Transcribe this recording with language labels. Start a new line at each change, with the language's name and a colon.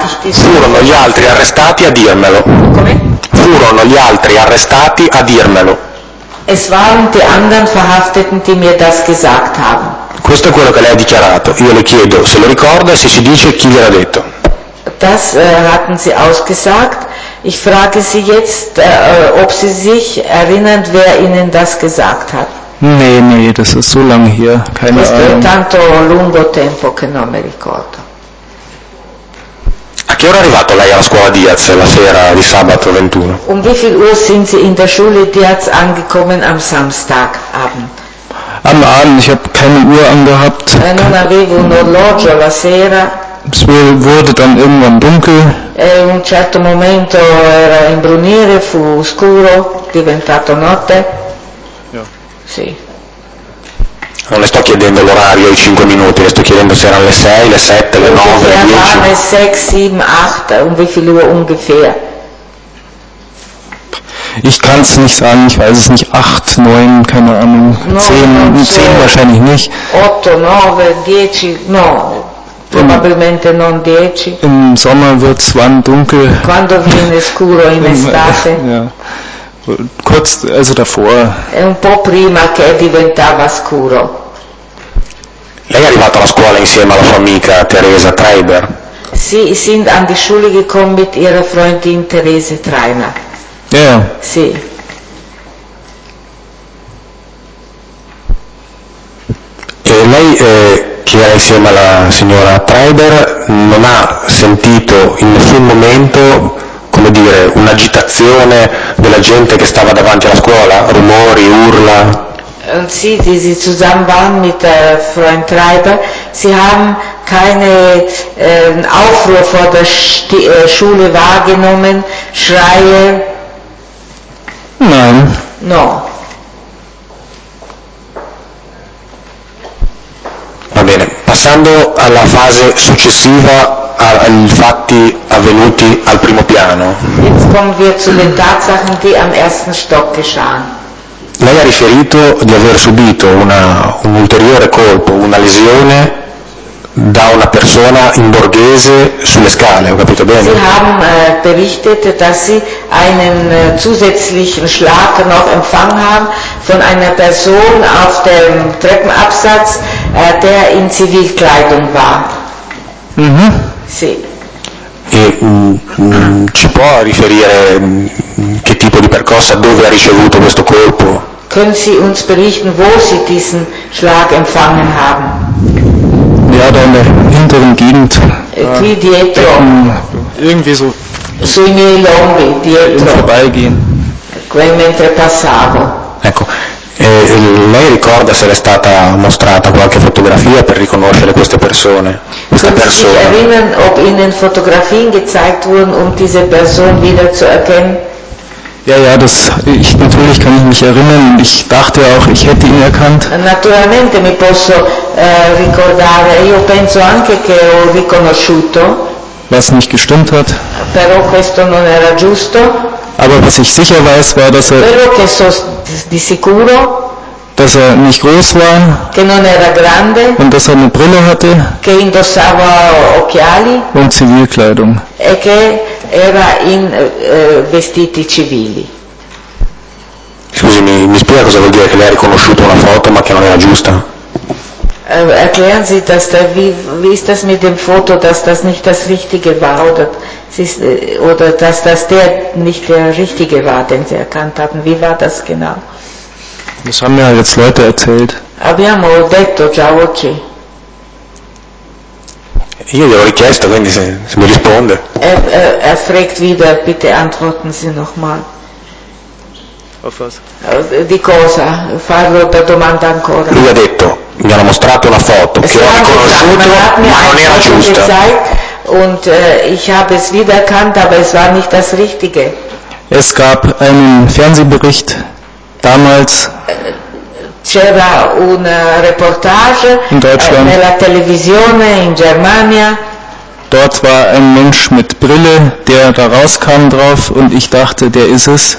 Italian: Furono gli altri arrestati a dirmelo. Come? Furono gli altri arrestati a dirmelo.
German: Es waren die anderen Verhafteten, die mir das gesagt haben.
Italian: Questo è quello che lei ha dichiarato. Io le chiedo se lo ricorda e se ci dice chi gliel'ha detto.
German: Das hatten Sie ausgesagt. Ich frage Sie jetzt, ob Sie sich erinnern, wer Ihnen das gesagt hat. Nee, das ist so lange hier, keine Ahnung.
Italian: Questo è tanto lungo tempo che non mi ricordo. A che ora è arrivato lei alla scuola Diaz la sera di sabato 21?
German: Um wie viel Uhr sind Sie in der Schule Diaz angekommen am Samstagabend? Am Abend, ich habe keine Uhr angehabt.
Italian: Non avevo un orologio la sera.
German: Es wurde dann irgendwann dunkel.
Italian: E un certo momento era imbrunire, fu scuro, diventato notte. Sì. Non le sto chiedendo l'orario, i 5 minuti, le sto chiedendo se erano le 6, le 7, le 9, le 10.
German: Le 6, 7, 8, un wie viel Uhr ungefähr? Ich kann es nicht sagen, ich weiß es nicht, 8, 9, keine Ahnung, 10, 10 wahrscheinlich nicht.
Italian: 8, 9, 10, no, probabilmente non 10.
German: Im Sommer wird es wann dunkel.
Italian: Quando viene scuro in estate.
German: Ja. Kurz, also davor.
Italian: È un po' prima che diventava scuro. Lei è arrivata alla scuola insieme alla sua amica Teresa Treiber.
German: Sie sind an die Schule gekommen mit ihrer Freundin Therese Treiber. Ja. Yeah.
Italian: Sì. E lei che era insieme alla signora Treiber non ha sentito in nessun momento, come dire, un'agitazione della gente che stava davanti alla scuola, rumori, urla? Sì, sì,
German: zusammen waren mit Freund Treiber, Sie haben keinen Aufruhr vor der Schule wahrgenommen, Schreie? Nein.
Italian: No. Va bene, passando alla fase successiva ai fatti avvenuti al primo piano.
German: Jetzt kommen wir zu den Tatsachen, die am ersten Stock geschahen.
Italian: Lei ha riferito di aver subito un ulteriore colpo, una lesione da una persona in borghese sulle scale, ho capito bene?
German: Sie haben berichtet, dass sie einen zusätzlichen Schlag noch empfangen haben von einer Person auf dem Treppenabsatz, der in Zivilkleidung war. Mhm.
Italian: Sì. E ci può riferire che tipo di percossa, dove ha ricevuto questo colpo?
German: Können Sie uns berichten, wo Sie diesen Schlag empfangen haben? Ja, da in der hinteren Gegend.
Italian: Qui dietro.
German: Irgendwie so.
Italian: Sui miei lombi, dietro.
German: Im Vorbeigehen.
Italian: Quel mentre passavo. Ecco. Lei ricorda se le è stata mostrata qualche fotografia per riconoscere queste persone? Questa persona.
German: Sie erinnern, ob Ihnen Fotografien gezeigt wurden, um diese Person wieder zu erkennen? Ja, ja, das, ich, natürlich kann ich mich erinnern. Ich dachte auch, ich hätte ihn erkannt.
Italian: Naturalmente mi posso ricordare. Io penso anche che ho riconosciuto.
German: Was nicht gestimmt hat.
Italian: Però questo non era giusto.
German: Aber was ich sicher weiß, war, dass er.
Italian: Però che so di sicuro.
German: Dass er nicht groß war.
Italian: Che non era grande.
German: Und dass er eine Brille hatte.
Italian: Che indossava occhiali.
German: Und Zivilkleidung.
Italian: E che era in vestiti civili. Scusi, mi spiega cosa vuol dire che lei ha riconosciuto una foto ma che non era giusta?
German: Erklären Sie, dass da, wie ist das mit dem Foto, dass das nicht das Richtige war oder dass das der nicht der Richtige war, den Sie erkannt haben. Wie war das genau? Das haben mir jetzt Leute erzählt.
Italian: Abbiamo detto già, ok. Io gli ho richiesto, quindi se mi risponde.
German: Er fragt wieder, bitte antworten Sie nochmal. Auf was?
Italian: Di cosa? Farlo per domanda ancora. Lui ha detto, mi hanno mostrato una foto che ho riconosciuto, ma non era giusta.
German: Und ich habe es wiedererkannt, aber es war nicht das Richtige. Es gab einen Fernsehbericht damals.
Italian: C'era una reportage
German: in Deutschland.
Italian: Nella televisione in Germania.
German: Dort war ein Mensch mit Brille, der da rauskam drauf und ich dachte, der ist es.